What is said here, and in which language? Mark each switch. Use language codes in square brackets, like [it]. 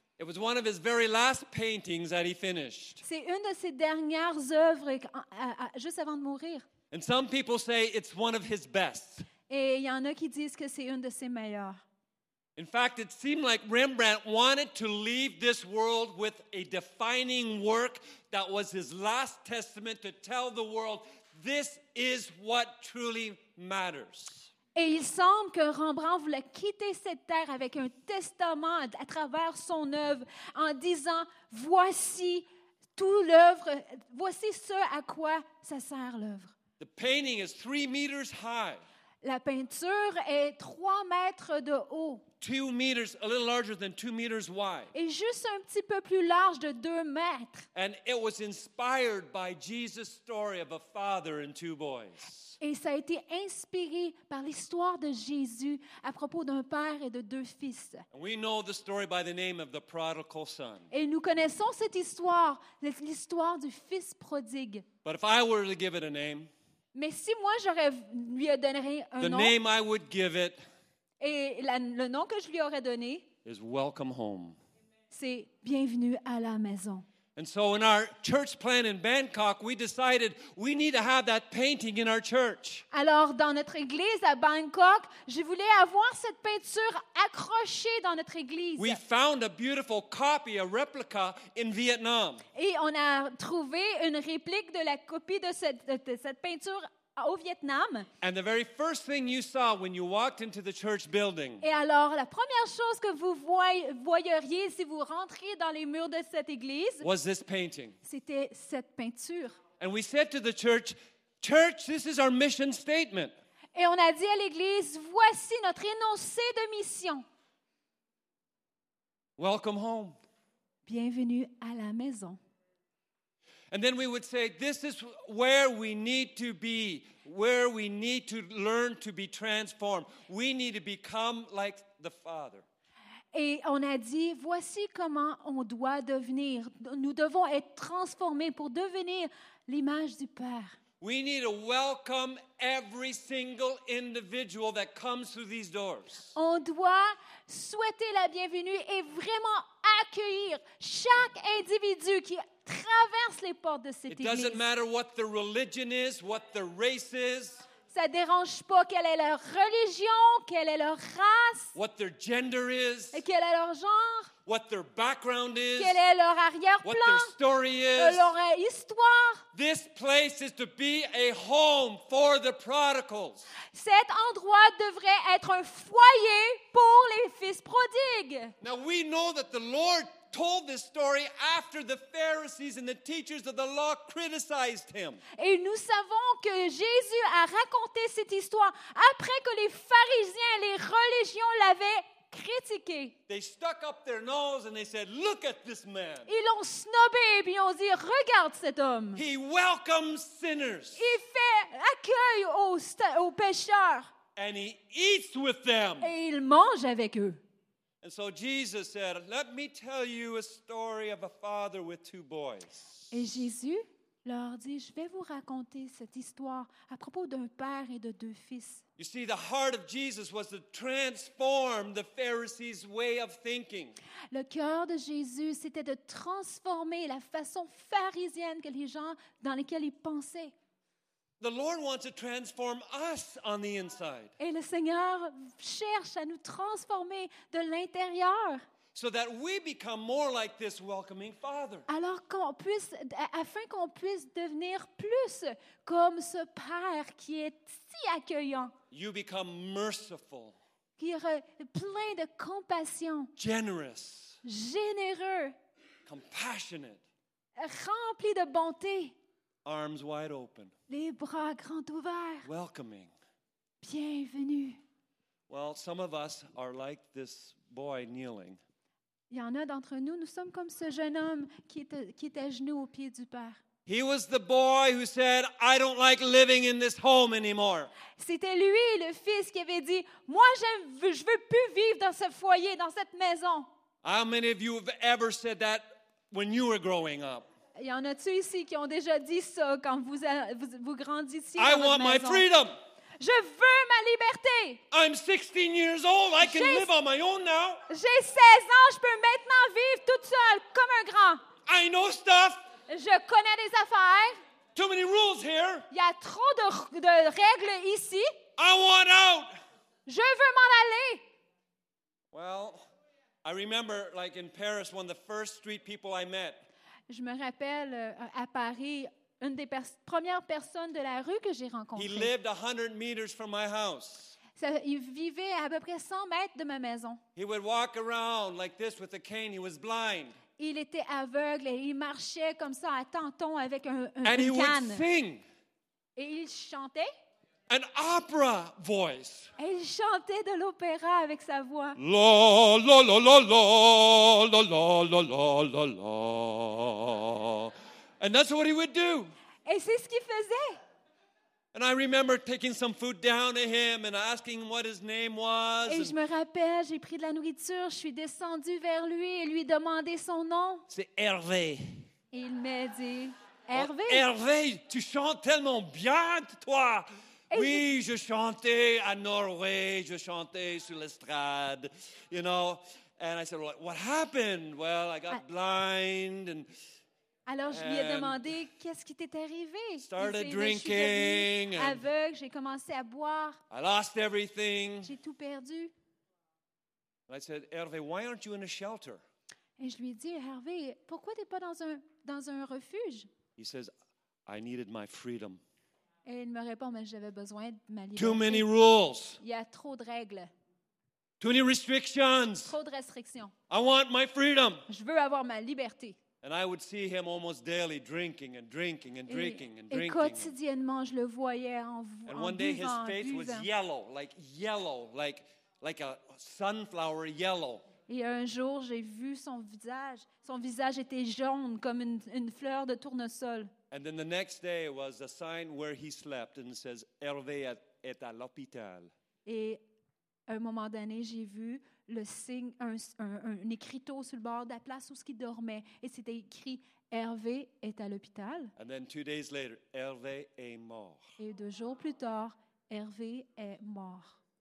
[en] It was one of his very last paintings that he finished. [fr] C'est une de ses dernières œuvres juste avant de mourir. [en] And some people say it's one of his best. [fr] Et il y en a qui disent que c'est une de ses meilleures. [en] In fact, it seemed like Rembrandt wanted to leave this world with a defining work that was his last testament to tell the world, this is what truly matters. [fr] Et il semble que Rembrandt voulait quitter cette terre avec un testament à travers son œuvre en disant, voici tout l'œuvre, voici ce à quoi ça sert l'œuvre. [en] The painting is 3 meters high. [fr] La peinture est 3 mètres de haut. [en] 2 meters, a little larger than 2 meters wide. [fr] Et juste un petit peu plus large de 2 mètres. [en] And it was inspired by Jesus' story of a father and 2 boys. [fr] Et ça a été inspiré par l'histoire de Jésus à propos d'un père et de 2 fils. [en] We know the story by the name of the prodigal son. [fr] Et nous connaissons cette histoire, l'histoire du fils prodigue. [en] But if I were to give it a name, [fr] mais si moi j'aurais lui donné un [en] the [fr] nom, [en] name I would give it, [fr] et le nom que je lui aurais donné, [en] is welcome home. [fr] C'est bienvenue à la maison. [en] And so in our church plan in Bangkok, we decided we need to have that painting in our church. [fr] Alors, dans notre église à Bangkok, je voulais avoir cette peinture accrochée dans notre église. [en] We found a beautiful copy, a replica, in Vietnam. [fr] Et on a trouvé une réplique de la copie de cette peinture au Vietnam. [en] And the very first thing you saw when you walked into the church building. [fr] Et alors la première chose que vous voyeriez si vous rentriez dans les murs de cette église [en] was this painting. [fr] C'était cette peinture. [en] And we said to the church, church, this is our mission statement. [fr] Et on a dit à l'église, voici notre énoncé de mission. [en] Welcome home. [fr] Bienvenue à la maison. [en] And then we would say, this is where we need to be, where we need to learn to be transformed. We need to become like the Father. [fr] Et on a dit, voici comment on doit devenir. Nous devons être transformés pour devenir l'image du Père. [en] We need to welcome every single individual that comes through these doors. [fr] On doit souhaiter la bienvenue et vraiment accueillir chaque individu qui traverse les portes de cette église. [en] It doesn't matter what the religion is, what the race is. [fr] Ça dérange pas quelle est leur religion, quelle est leur race. [en] What their gender is. [fr] Et quel est leur genre. [en] What their background is. [fr] Quel est leur arrière-plan. [en] What their story is. [fr] Leur histoire. [en] This place is to be a home for the prodigals. [fr] Cet endroit devrait être un foyer pour les fils prodigues. [en] Now we know that the Lord told this story after the Pharisees and the teachers of the law criticized him. [fr] Et nous savons que Jésus a raconté cette histoire après que les pharisiens et les religions l'avaient critiqué. [en] They stuck up their nose and they said, "Look at this man." [fr] Ils l'ont snobé et puis ont dit, "Regarde cet homme." [en] He welcomes sinners. [fr] Il fait accueil aux pécheurs. [en] And he eats with them. [fr] Et il mange avec eux. [en] And so Jesus said, "Let me tell you a story of a father with two boys." [fr] Et Jésus leur dit, "Je vais vous raconter cette histoire à propos d'un père et de deux fils." [en] You see, the heart of Jesus was to transform the Pharisees' way of thinking. [fr] Le cœur de Jésus, c'était de transformer la façon pharisienne que les gens dans lesquels ils pensaient. [en] The Lord wants to transform us on the inside. [fr] Et le Seigneur cherche à nous transformer de l'intérieur. [en] So that we become more like this welcoming Father. [fr] Alors qu'on puisse, afin qu'on puisse devenir plus comme ce Père qui est si accueillant. [en] You become merciful. [fr] Qui est plein de compassion. [en] Generous. [fr] Généreux. [en] Compassionate. [fr] Rempli de bonté. [en] Arms wide open. [fr] Les bras grands ouverts. [en] Welcoming. [fr] Bienvenue. [en] Well, some of us are like this boy kneeling. [fr] Il y en a d'entre nous, nous sommes comme ce jeune homme qui est à genoux aux pieds du Père. [en] He was the boy who said, "I don't like living in this home anymore." [fr] C'était lui le fils qui avait dit, "Moi je veux plus vivre dans ce foyer, dans cette maison." [en] How many of you have ever said that when you were growing up? [fr] Y en a-tu ici qui ont déjà dit ça quand vous grandissiez dans votre maison? [en] My freedom. [fr] Je veux ma liberté. [en] I'm 16 years old. I can live on my own now. [fr] J'ai 16 ans. Je peux maintenant vivre toute seule comme un grand. [en] I know stuff. [fr] Je connais des affaires. [en] Too many rules here. [fr] Y a trop de règles ici. [en] I want out. [fr] Je veux m'en aller. [en] Well, I remember like in Paris, one of the first street people I met. [fr] Je me rappelle à Paris, une des premières personnes de la rue que j'ai rencontrée. [en] He lived 100 meters from my house. [fr] Il vivait à peu près 100 mètres de ma maison. [en] He would walk around like this with a cane. He was blind. [fr] Il était aveugle et il marchait comme ça à tâtons avec une [en] canne. And he would sing. [fr] Et il chantait. [en] An opera voice. [fr] Et il chantait de l'opéra avec sa voix. La la la la la la la la la la la. [en] And that's what he would do. [fr] Et c'est ce qu'il faisait. [en] And I remember taking some food down to him and asking what his name was. [fr] Et je me rappelle, j'ai pris de la nourriture, je suis descendue vers lui et lui demander son nom. C'est Hervé. Et il m'a dit, Hervé. Oh, Hervé, tu chantes tellement bien, toi. Et oui, je chantais à Norway, je chantais sur l'estrade, [en] you know. And I said, well, what happened? Well, I got blind. And, [fr] alors, je lui ai demandé, qu'est-ce qui t'est arrivé? [en] Started drinking. [fr] Aveugle, j'ai commencé à boire. [en] I lost everything. [fr] J'ai tout perdu. [en] And I said, Hervé, why aren't you in a shelter? [fr] Et je lui ai dit, Hervé, pourquoi t'es pas dans un refuge? [en] He says, I needed my freedom. [fr] Et il me répond, mais j'avais besoin de ma liberté. [en] Too many rules. [fr] Il y a trop de règles. [en] Too many restrictions. [fr] Trop de restrictions. [en] I want my freedom. [fr] Je veux avoir ma liberté. [en] And I would see him almost daily drinking and drinking and drinking and drinking. [fr] Et quotidiennement, je le voyais en buvant. [en] And one day his face was yellow, like a sunflower yellow. [fr] Et un jour, j'ai vu son visage. Son visage était jaune comme une fleur de tournesol. [en] And then the next day was a sign where he slept, and it says, [fr] "Hervé est à l'hôpital." Et À un moment donné, j'ai vu le signe, un écriteau sur le bord de la place où ce qui dormait, et c'était écrit Hervé est à l'hôpital. [en] And then 2 days later, [fr] Hervé est mort. Et 2 jours plus tard, Hervé est mort.